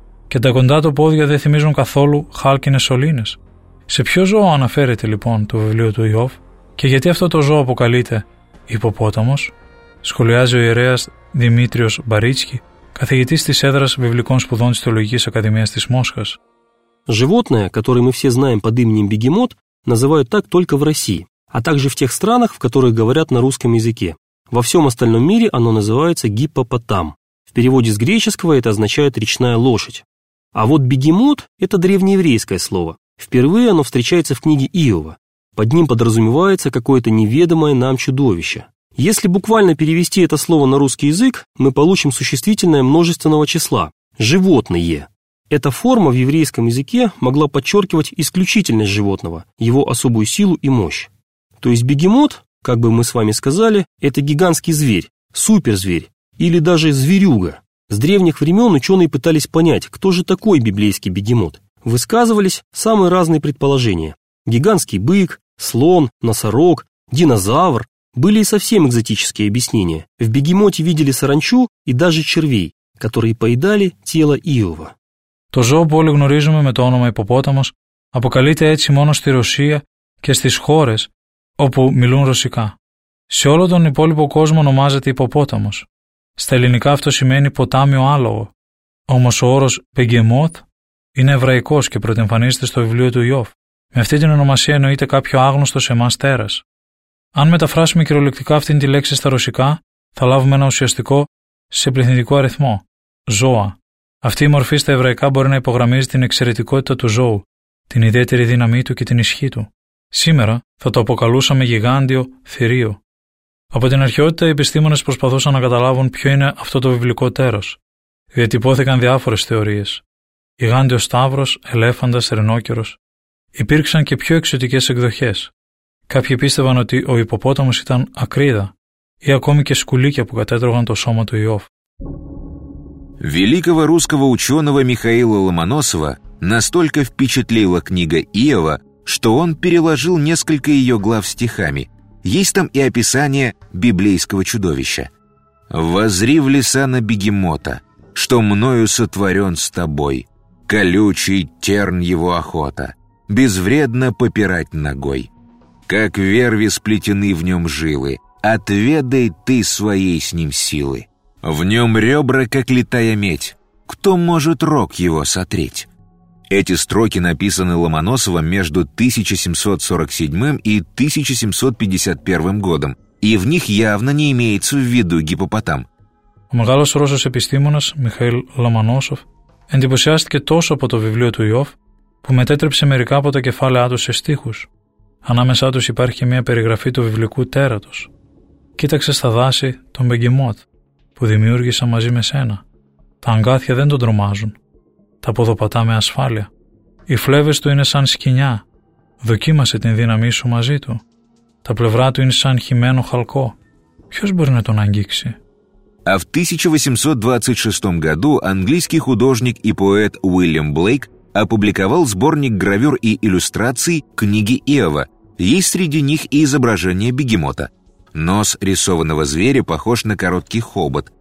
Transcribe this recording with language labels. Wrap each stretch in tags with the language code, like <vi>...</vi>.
<el>Και τα κοντά του πόδια δεν θυμίζουν καθόλου χάλκινες σωλήνες. Σε ποιο ζώο αναφέρεται λοιπόν το βιβλίο του Ιώβ και γιατί αυτό το ζώο αποκαλείται υποπόταμος, σχολιάζει ο ιερέας Δημήτριος Μπαρίτσκι, καθηγητής της έδρας βιβλικών σπουδών της Θεολογικής Ακαδημίας της Μόσχας.</el> <ru>Животное, которое мы все знаем под именем бегемот, называют так только в России, а также в тех странах, в которых говорят на русском языке. Во всем остальном мире оно называется гиппопотам. В переводе с греческого это означает речная лошадь. А вот бегемот – это древнееврейское слово. Впервые оно встречается в книге Иова. Под ним подразумевается какое-то неведомое нам чудовище. Если буквально перевести это слово на русский язык, мы получим существительное множественного числа – животное. Эта форма в еврейском языке могла подчеркивать исключительность животного, его особую силу и мощь. То есть бегемот, как бы мы с вами сказали, это гигантский зверь, суперзверь или даже зверюга. С древних времен ученые пытались понять, кто же такой библейский бегемот. Высказывались самые разные предположения. Гигантский бык, слон, носорог, динозавр. Были и совсем экзотические объяснения. В бегемоте видели саранчу и даже червей, которые поедали тело Иова.</ru> <el>То ζώο που όλοι γνωρίζουμε με το όνομα υποπόταμος αποκαλείται έτσι μόνο στη Ρωσία και στις χώρες όπου μιλούν ρωσικά. Σε όλο τον υπόλοιπο κόσμο ονομάζεται υποπόταμος. Στα ελληνικά αυτό σημαίνει ποτάμιο άλογο. Όμως ο όρος «Μπεγεμότ» είναι εβραϊκός και προτεμφανίζεται στο βιβλίο του Ιώβ. Με αυτή την ονομασία εννοείται κάποιο άγνωστο σε εμάς τέρας. Αν μεταφράσουμε κυριολεκτικά αυτήν τη λέξη στα ρωσικά, θα λάβουμε ένα ουσιαστικό σε πληθυντικό αριθμό – ζώα. Αυτή η μορφή στα εβραϊκά μπορεί να υπογραμμίζει την εξαιρετικότητα του ζώου, την ιδιαίτερη δύναμή του και την ισχύ του. Σήμερα θα το αποκαλούσαμε γιγάντιο θηρίο. Από την αρχαιότητα οι επιστήμονες προσπαθούσαν να καταλάβουν ποιο είναι αυτό το βιβλικό τέρας. Διατυπώθηκαν διάφορες θεωρίες. Γιγάντιος σταύρος, ελέφαντας, ρινόκερος. Υπήρξαν και πιο εξωτικές εκδοχές. Κάποιοι πίστευαν ότι ο υποπόταμος ήταν ακρίδα ή ακόμη και σκουλίκια που κατέτρωγαν το σώμα του Ιώβ.</el> <ru>Великого русского ученого Михаила Ломоносова настолько впечатлила книга Иова, что он переложил несколько ее глав стихами. Есть там и описание библейского чудовища. «Воззри в леса на бегемота, что мною сотворен с тобой, колючий терн его охота, безвредно попирать ногой. Как верви сплетены в нем жилы, отведай ты своей с ним силы. В нем ребра, как литая медь, кто может рог его сотреть?» Эти строки написаны Ломоносовым между 1747 и 1751 годом, и в них явно не имеется в виду гипопотам.</ru> <el>Ο μεγάλος Ρώσος επιστήμονας Μιχαήλ Ломоносов εντυπωσιάστηκε τόσο από το βιβλίο του Ιώβ που μετέτρεψε μερικά από τα κεφάλαιά του σε στίχους. Ανάμεσά τους υπάρχει και μια περιγραφή του βιβλικού τέρατος. Κοίταξε στα δάση τον Μπεγκιμότ που δημιούργησα μαζί με σένα. Τα αγκάθια δεν τον τρομάζουν. Τα ποδοπατά με ασφάλεια. Οι φλέβες του είναι σαν σκοινιά. Δοκίμασε την δύναμή σου μαζί του. Τα πλευρά του είναι σαν χυμένο χαλκό. Ποιος μπορεί να τον αγγίξει?</el> <ru>А в 1826 году английский художник и поэт Уильям Блейк опубликовал сборник гравюр и иллюстраций книги Иова. Есть среди них и изображение бегемота. Нос рисованного зверя похож на короткий хобот.</ru>